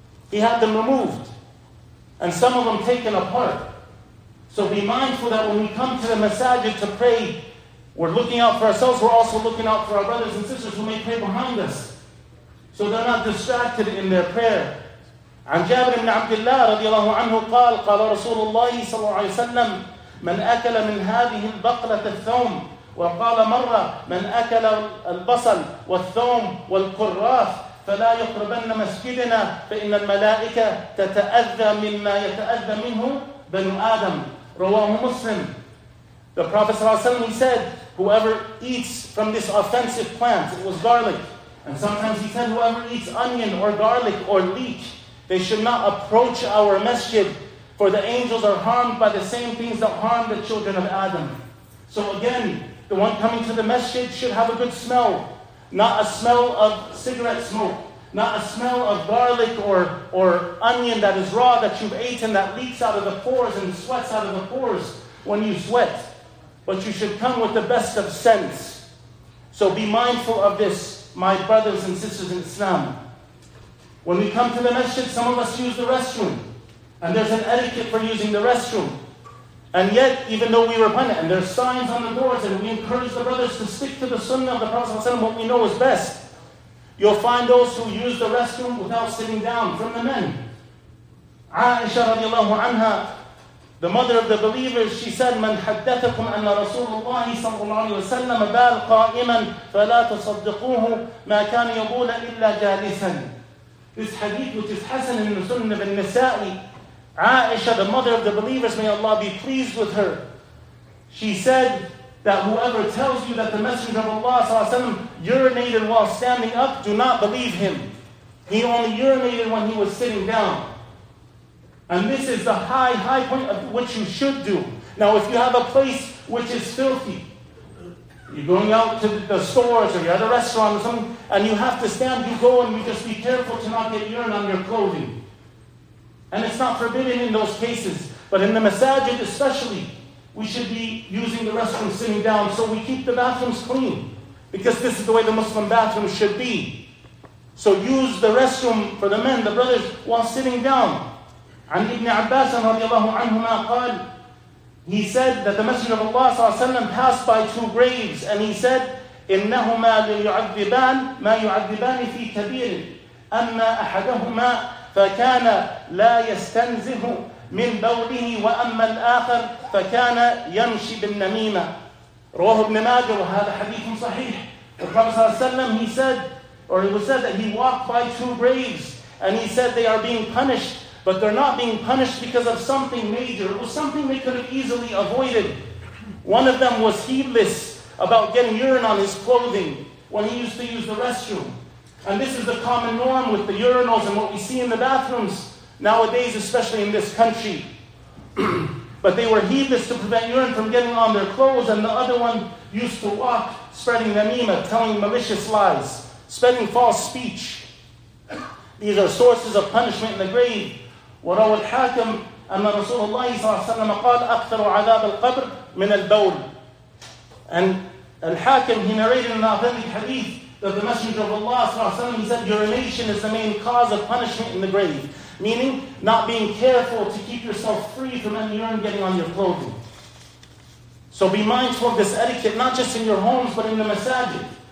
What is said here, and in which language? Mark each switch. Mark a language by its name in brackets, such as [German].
[English] He had them removed and some of them taken apart. So be mindful that when we come to the masajid to pray, we're looking out for ourselves, we're also looking out for our brothers and sisters who may pray behind us, so they're not distracted in their prayer. [Arabic] عن جابر بن عبد الله رضي الله عنه قال قال رسول الله صلى الله عليه وسلم من أكل من هذه البقلة الثوم وقال مرة من أكل البصل والثوم والكراث فلا يقربن مسجدنا فإن الملائكة تتأذى مما يتأذى منه بنو آدم. رواه مسلم. [English] The Prophet صلى الله عليه وسلم said, whoever eats from this offensive plant, it was garlic, and sometimes he said, whoever eats onion or garlic or leek, they should not approach our masjid, for the angels are harmed by the same things that harm the children of Adam. So again, the one coming to the masjid should have a good smell, not a smell of cigarette smoke, not a smell of garlic or onion that is raw that you've eaten that leaks out of the pores and sweats out of the pores when you sweat. But you should come with the best of scents. So be mindful of this, my brothers and sisters in Islam. When we come to the masjid, some of us use the restroom. And there's an etiquette for using the restroom. And yet, even though we repent, and there's signs on the doors, and we encourage the brothers to stick to the sunnah of the Prophet ﷺ, what we know is best, you'll find those who use the restroom without sitting down, from the men. Aisha radiallahu anha, the mother of the believers, she said, [Arabic] مَنْ حَدَّثَكُمْ أَنَّ رَسُولُ اللَّهِ صَلَّى اللَّهُ عَلَيْهِ وَسَلَّمَ بَالْ قَائِمًا فَلَا تُصَدِّقُوهُ مَا كَانَ يَقُولَ إِلَّا جَالِسًا. [English] This hadith, which is Hassan in the Sunnah of Al-Nisa'i, Aisha, the mother of the believers, may Allah be pleased with her, she said that whoever tells you that the Messenger of Allah sallallahu alaihi wasallam urinated while standing up, do not believe him. He only urinated when he was sitting down. And this is the high point of what you should do. Now, if you have a place which is filthy, you're going out to the stores or you're at a restaurant or something, and you have to stand, you go and you just be careful to not get urine on your clothing. And it's not forbidden in those cases. But in the masajid especially, we should be using the restroom sitting down so we keep the bathrooms clean. Because this is the way the Muslim bathroom should be. So use the restroom for the men, the brothers, while sitting down. [Arabic] عن ابن عباس رضي الله عنهما قال, [English] he said that the Messenger of Allah صلى الله عليه وسلم passed by two graves, and he said, [Arabic] إِنَّهُمَا لِيُعَذِّبَانِ مَا يُعَذِّبَانِ فِي كَبِيرٍ أَمَّا أَحَدَهُمَا فَكَانَ لَا يَسْتَنْزِهُ مِنْ بَوْلِهِ وَأَمَّا الْآخَرِ فَكَانَ يَمْشِي بِالنَّمِيمَةِ. رواه ابن ماجه, وهذا حديث صحيح. [English] The Prophet صلى الله عليه وسلم, he said, or he was said that he walked by two graves, and he said they are being punished, but they're not being punished because of something major. It was something they could have easily avoided. One of them was heedless about getting urine on his clothing when he used to use the restroom. And this is the common norm with the urinals and what we see in the bathrooms nowadays, especially in this country. But they were heedless to prevent urine from getting on their clothes, and the other one used to walk spreading namima, telling malicious lies, spreading false speech. These are sources of punishment in the grave. [Arabic] وروى الحاكم أن رسول الله صلى الله عليه وسلم قال أكثر عذاب القبر من البول. [English] And Al-Hakim, he narrated an authentic hadith that the Messenger of Allah وسلم, he said, urination is the main cause of punishment in the grave. Meaning, not being careful to keep yourself free from any urine getting on your clothing. So be mindful of this etiquette, not just in your homes, but in the masajid.